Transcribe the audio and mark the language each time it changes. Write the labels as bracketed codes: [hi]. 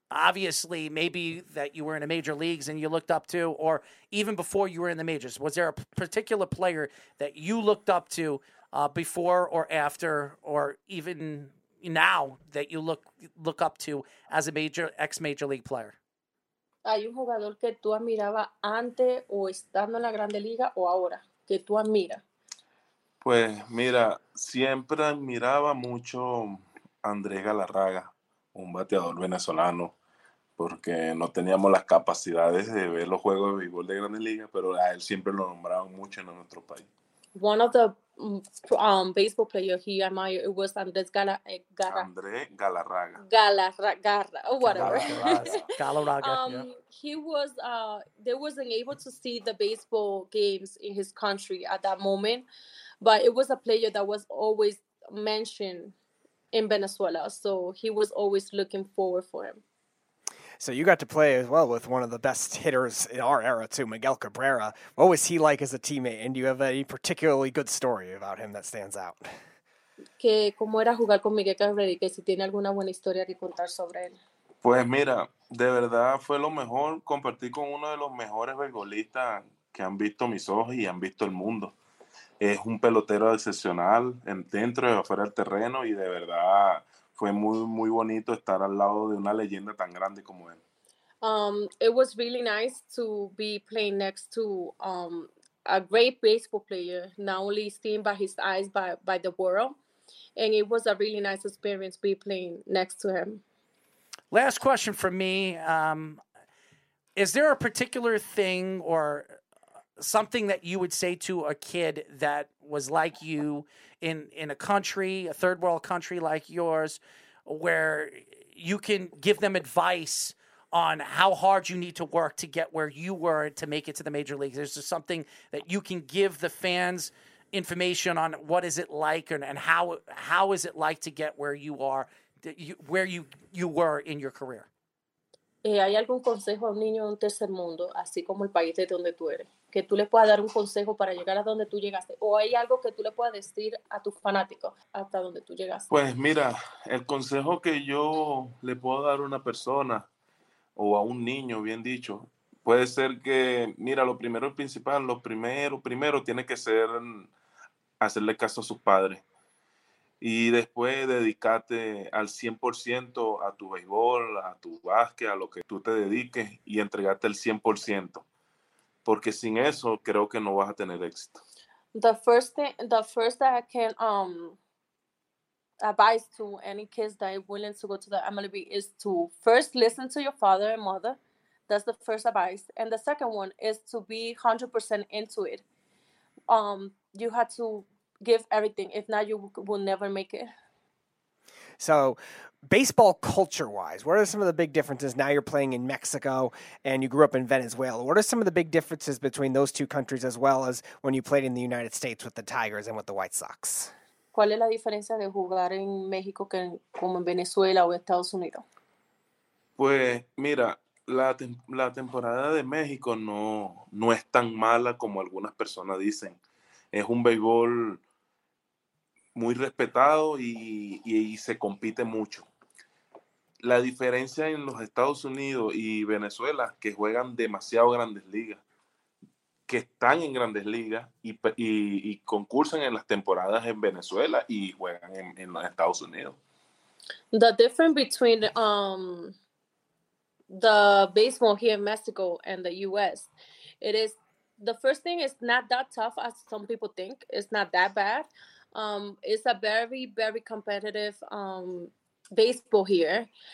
[en] Obviously, maybe that you were in the major leagues and you looked up to, or even before you were in the majors. Was there a particular player that you looked up to before or after, or even now that you look up to as a major ex-major league player? [es] ¿Hay un jugador que tú admirabas antes o estando en la Grande Liga o ahora que tú admiras? Pues mira, siempre admiraba mucho Andrés Galarraga, un bateador venezolano, porque no teníamos las capacidades de ver los juegos de béisbol de Grandes Ligas, pero a él siempre lo nombraban mucho en nuestro país. [en] One of the baseball players he admired was Andrés Galarraga. Galarraga. Yeah. He was wasn't able to see the baseball games in his country at that moment, but it was a player that was always mentioned in Venezuela, so he was always looking forward for him. So you got to play as well with one of the best hitters in our era too, Miguel Cabrera. What was he like as a teammate, and do you have any particularly good story about him that stands out? [es] Que cómo era jugar con Miguel Cabrera y que si tiene alguna buena historia que contar sobre él. Pues mira, de verdad fue lo mejor compartir con uno de los mejores beisbolistas que han visto mis ojos y han visto el mundo. Es un pelotero excepcional dentro y afuera del terreno y de verdad fue muy, muy bonito estar al lado de una leyenda tan grande como él. [en] It was really nice to be playing next to a great baseball player, not only seen by his eyes, by the world. And it was a really nice experience be playing next to him. Last question for me. Is there a particular thing or something that you would say to a kid that was like you in a country, a third world country like yours, where you can give them advice on how hard you need to work to get where you were to make it to the major leagues? Is there something that you can give the fans information on what is it like and how is it like to get where you are, where you were in your career? [es] ¿Hay algún consejo a un niño de un tercer mundo, así como el país de donde tú eres, que tú le puedas dar un consejo para llegar a donde tú llegaste? ¿O hay algo que tú le puedas decir a tus fanáticos hasta donde tú llegaste? Pues mira, el consejo que yo le puedo dar a una persona o a un niño, bien dicho, puede ser que, mira, lo primero y principal, lo primero tiene que ser hacerle caso a sus padres. Y después dedicarte al 100% a tu béisbol, a tu básquet, a lo que tú te dediques y entregarte el 100%. Porque sin eso creo que no vas a tener éxito. [en] The first that I can advise to any kids that are willing to go to the MLB is to first listen to your father and mother. That's the first advice. And the second one is to be 100% into it. You have to give everything. If not, you will never make it. So baseball culture-wise, what are some of the big differences? Now you're playing in Mexico and you grew up in Venezuela. What are some of the big differences between those two countries as well as when you played in the United States with the Tigers and with the White Sox? [es] ¿Cuál es la diferencia de jugar en México que como en Venezuela o Estados Unidos? Pues mira, la temporada de México no es tan mala como algunas personas dicen. Es un béisbol muy respetado y se compite mucho. La diferencia en los Estados Unidos y Venezuela, que juegan demasiado grandes ligas, que están en grandes ligas y concursan en las temporadas en Venezuela y juegan en los Estados Unidos. [en] The difference between the baseball here in Mexico and the U.S., it is, the first thing is not that tough as some people think. It's not that bad. It's a very, very competitive baseball here.